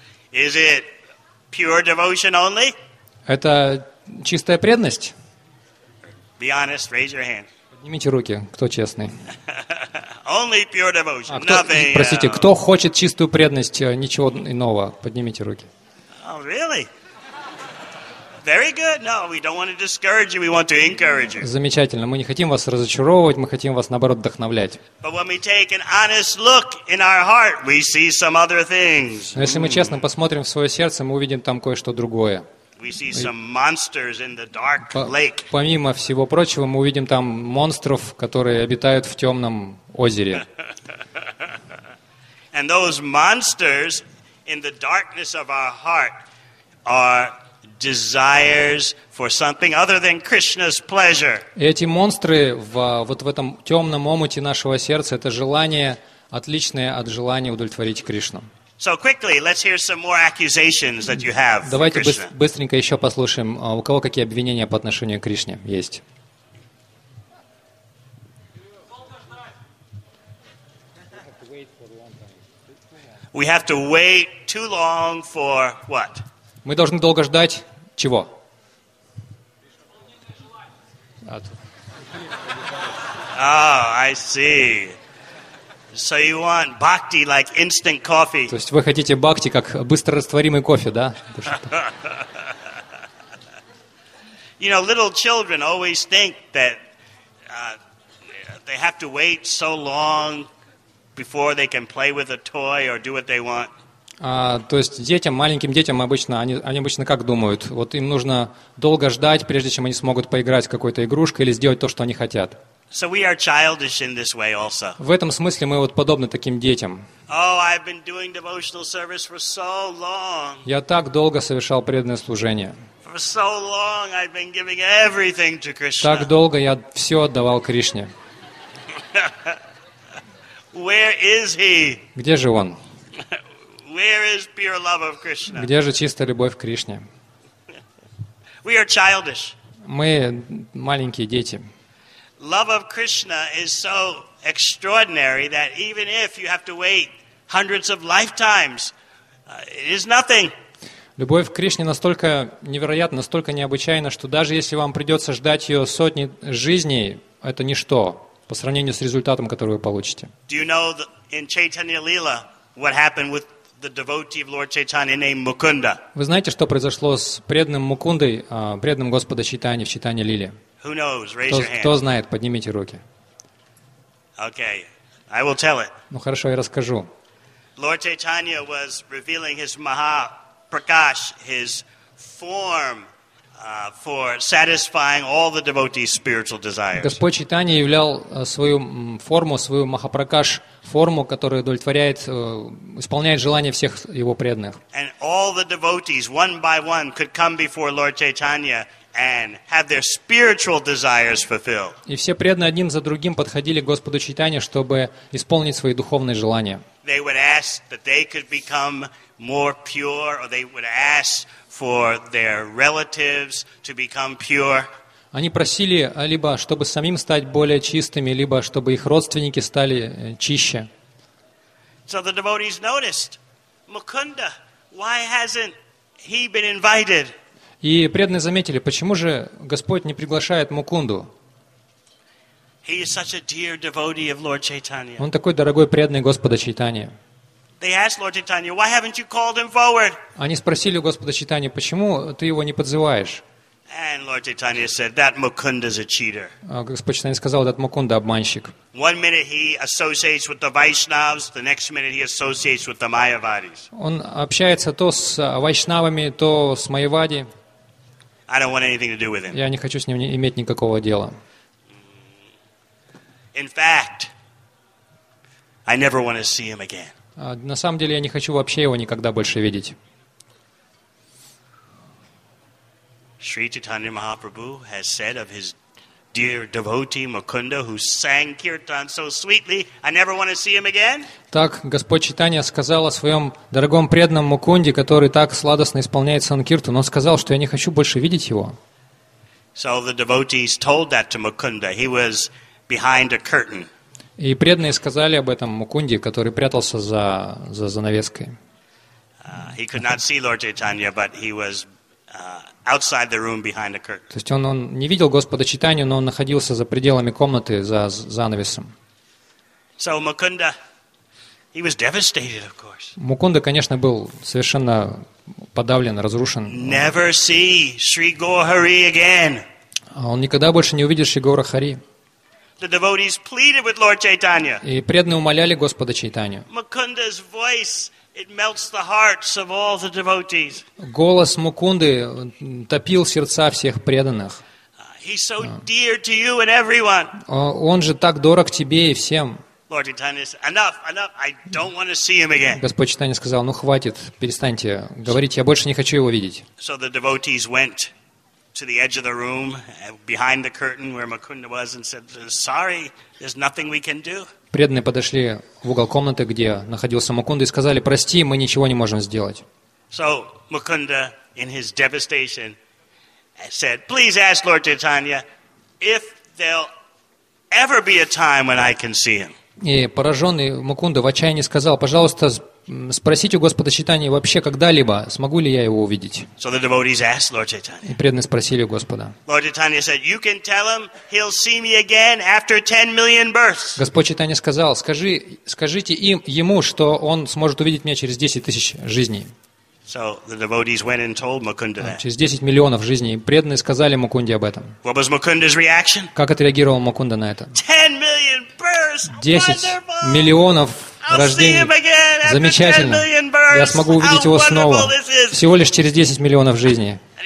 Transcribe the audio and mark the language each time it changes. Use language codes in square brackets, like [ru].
[en] Is it pure devotion only? [ru] Это чистая преданность? [en] Be honest, raise your hand. [ru] Поднимите руки, кто честный. [en] Only pure devotion, nothing. [ru] Простите, кто хочет чистую преданность, ничего иного? Поднимите руки. [en] Oh, really? Very good. No, we don't want to discourage you. We want to encourage you. [ru] Замечательно. Мы не хотим вас разочаровывать, мы хотим вас наоборот вдохновлять. [en] But when we take an honest look in our heart, we see some other things. [ru] Если мы честно посмотрим в свое сердце, мы увидим там кое-что другое. [en] We see some monsters in the dark lake. [ru] Помимо всего прочего, мы увидим там монстров, которые обитают в темном озере. [en] And those monsters in the darkness of our heart are desires for something other than Krishna's pleasure. [ru] Эти монстры вот в этом темном омуте нашего сердца — это желание, отличное от желания удовлетворить Кришну. [en] So quickly, let's hear some more accusations that you have. [ru] Давайте быстренько еще послушаем, у кого какие обвинения по отношению к Кришне есть. [en] We have to wait too long for what? [ru] Мы должны долго ждать. Чего? [en] Oh, I see. So you want bhakti like instant coffee? [ru] То есть вы хотите бхакти как быстрорастворимый кофе, да? [en] You know, little children always think that they have to wait so long before they can play with a toy or do what they want. [ru] То есть детям, маленьким детям обычно, они обычно как думают? Вот им нужно долго ждать, прежде чем они смогут поиграть с какой-то игрушкой или сделать то, что они хотят. [en] So we are childish in this way also. [ru] В этом смысле мы вот подобны таким детям. [en] Oh, I've been doing devotional service for so long. [ru] Я так долго совершал преданное служение. [en] For so long I've been giving everything to Krishna. [ru] Так долго я все отдавал Кришне. [en] Where is he? [ru] Где же он? [en] Where is pure love of Krishna? [ru] Где же чистая любовь к Кришне? [en] We are childish. [ru] Мы маленькие дети. [en] Love of Krishna is so extraordinary that even if you have to wait hundreds of lifetimes, it is nothing. [ru] Любовь к Кришне настолько невероятна, настолько необычайна, что даже если вам придется ждать ее сотни жизней, это ничто по сравнению с результатом, который вы получите. [en] Do you know in Chaitanya Lila what happened with the devotee of Lord Chaitanya named Mukunda? [ru] Вы знаете, что произошло с преданным Мукундой, преданным Господа Чайтаньи в Чайтанья Лиле? [en] Who knows? Raise your hand. [ru] Кто знает? Поднимите руки. [en] Okay, I will tell it. [ru] Ну хорошо, я расскажу. [en] Lord Chaitanya was revealing his Mahaprakash, his form for satisfying all the devotees' spiritual desires. [ru] Господь Чайтанья являл свою форму, свою Махапракаш, форму, которая удовлетворяет, исполняет желания всех его преданных. [en] And all the devotees, one by one, could come before Lord Chaitanya and have their spiritual desires fulfilled. [ru] И все преданные один за другим подходили к Господу Чайтанье, чтобы исполнить свои духовные желания. [en] They would ask that they could become more pure, or they would ask for their relatives to become pure. [ru] Они просили либо чтобы самим стать более чистыми, либо чтобы их родственники стали чище. [en] So the devotees noticed, Mukunda, why hasn't he been invited? [ru] И преданные заметили, почему же Господь не приглашает Мукунду? [en] He is such a dear devotee of Lord Chaitanya. [ru] Он такой дорогой преданный Господа Чайтаньи. [en] They asked Lord Chaitanya, why haven't you called him forward? [ru] Они спросили у Господа Чайтаньи, почему ты его не подзываешь? [en] And Lord Chaitanya said, that Mukunda is a cheater. [ru] Господь Чайтанья сказал, этот Мукунда обманщик. [en] One minute he associates with the Vaishnavas, the next minute he associates with the Mayavadis. [ru] Он общается то с вайшнавами, то с майявади. [en] I don't want anything to do with him. [ru] Я не хочу с ним иметь никакого дела. [en] In fact, I never want to see him again. [ru] На самом деле, я не хочу вообще его никогда больше видеть. [en] Шри Чайтанья Махапрабху has said of his dear devotee Mukunda, who sang kirtan so sweetly, I never want to see him again. [ru] Так Господь Чайтанья сказал о своем дорогом преданном Мукунде, который так сладостно исполняет санкиртан. Он сказал, что я не хочу больше видеть его. [en] So the devotees told that to Mukunda. He was behind a curtain. [ru] И преданные сказали об этом Мукунде, который прятался за занавеской. [en] He could not see Lord Chaitanya, but he was outside the room behind a curtain. [ru] То есть он не видел Господа Чайтанью, но он находился за пределами комнаты за занавесом. [en] So Mukunda, he was devastated, of course. [ru] Мукунда, конечно, был совершенно подавлен, разрушен. [en] Never see Sri Gaurahari again. [ru] Он никогда больше не увидит Шри Гаурахари. [en] The devotees pleaded with Lord Chaitanya. [ru] И преданные умоляли Господа Чайтанью. [en] Mukunda's voice, it melts the hearts of all the devotees. [ru] Голос Мукунды топил сердца всех преданных. [en] He's so dear to you and everyone. [ru] Он же так дорог тебе и всем. [en] Lord Chaitanya said, enough, I don't want to see him again. [ru] Господь Чайтанья сказал, ну хватит, перестаньте говорить, я больше не хочу его видеть. [en] So the devotees went to the edge of the room, behind the curtain where Mukunda was, and said, "Sorry, there's nothing we can do." [ru] Преданные подошли в угол комнаты, где находился Мукунда, и сказали: "Прости, мы ничего не можем сделать." [en] So Mukunda, in his devastation, said, "Please ask Lord Chaitanya if there'll ever be a time when I can see him." [ru] И пораженный Мукунда в отчаянии сказал: "Пожалуйста, спросите у Господа Чайтаньи вообще когда-либо, смогу ли я его увидеть?" [en] So the devotees asked Lord Chaitanya. [ru] И преданные спросили у Господа. [en] Lord Chaitanya said, "You can tell him he'll see me again after 10 million births." [ru] Господь Чайтанья сказал, скажите ему, что он сможет увидеть меня через 10 000 жизней. [en] So the devotees went and told Mukunda that. [ru] Через 10 миллионов жизней. Преданные сказали Мукунде об этом. [en] What was Mukunda's reaction? [ru] Как отреагировал Мукунда на это? [en] 10 million births. [ru] 10 миллионов. Рождение. Замечательно. Я смогу увидеть его снова. Всего лишь через 10 миллионов жизней.